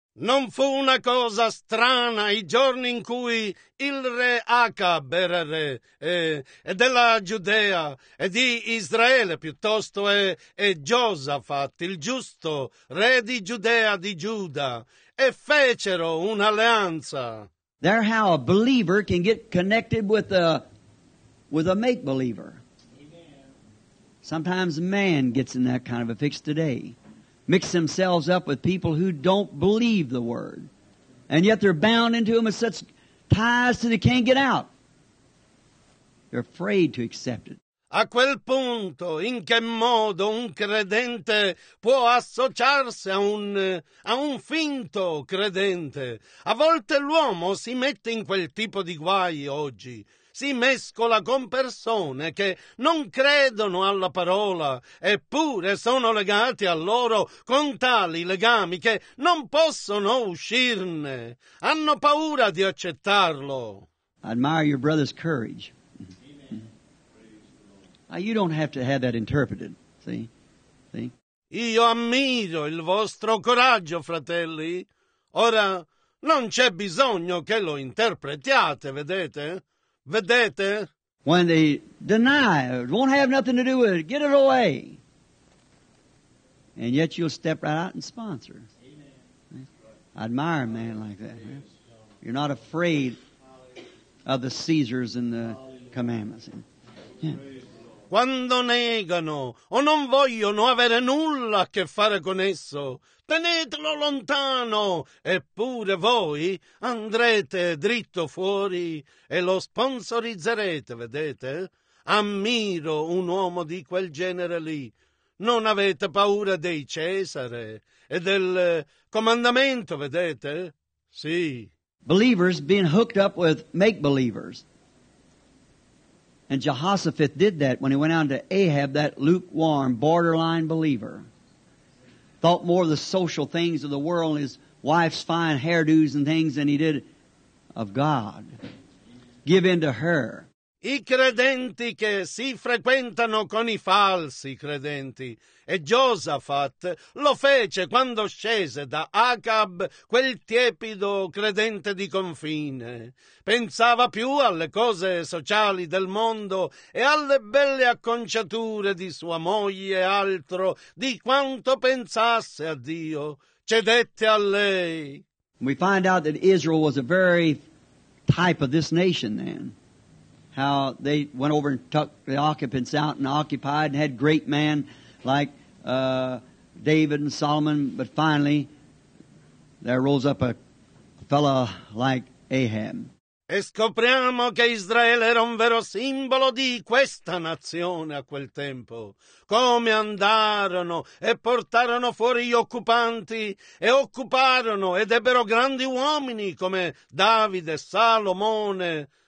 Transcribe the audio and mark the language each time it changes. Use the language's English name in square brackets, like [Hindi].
[Italian] Non fu una cosa strana i giorni in cui il re Acab era re della Giudea e di Israele piuttosto e Giosafat, il giusto re di Giudea di Giuda, e fecero un'alleanza. [English] There how a believer can get connected with a make-believer. Sometimes man gets in that kind of a fix today. Mix themselves up with people who don't believe the word. And yet they're bound into them with such ties that they can't get out. They're afraid to accept it. [Italian] A quel punto, in che modo un credente può associarsi a un finto credente? A volte l'uomo si mette in quel tipo di guai oggi. Si mescola con persone che non credono alla parola, eppure sono legati a loro con tali legami che non possono uscirne. Hanno paura di accettarlo. [English] I admire your brother's courage. You don't have to have that interpreted, see? [Italian] Io ammiro il vostro coraggio, fratelli. Ora, non c'è bisogno che lo interpretiate, vedete? Vedete? [English] When they deny, won't have nothing to do with it, get it away. And yet you'll step right out and sponsor. Amen. I admire a man like that. Right? You're not afraid of the Caesars and the commandments. Yeah. [Italian] Quando negano o non vogliono avere nulla a che fare con esso, tenetelo lontano, eppure voi andrete dritto fuori e lo sponsorizzerete, vedete? Ammiro un uomo di quel genere lì. Non avete paura dei Cesare e del comandamento, vedete? Sì. [English] Believers being hooked up with make-believers. And Jehoshaphat did that when he went out to Ahab, that lukewarm, borderline believer. Thought more of the social things of the world, his wife's fine hairdos and things, than he did of God. Give in to her. [Italian] I credenti che si frequentano con i falsi credenti. E Giosafat lo fece quando scese da Acab, quel tiepido credente di confine. Pensava più alle cose sociali del mondo e alle belle acconciature di sua moglie e altro di quanto pensasse a Dio. Cedette a lei. [English] We find out that Israel was a very type of this nation then. How they went over and took the occupants out and occupied and had great men like David and Solomon. But finally, there rose up a fellow like Ahab. [Italian] E scopriamo che Israele era un vero simbolo di questa nazione a quel tempo. Come andarono e portarono fuori gli occupanti e occuparono ed ebbero grandi uomini come Davide, Salomone.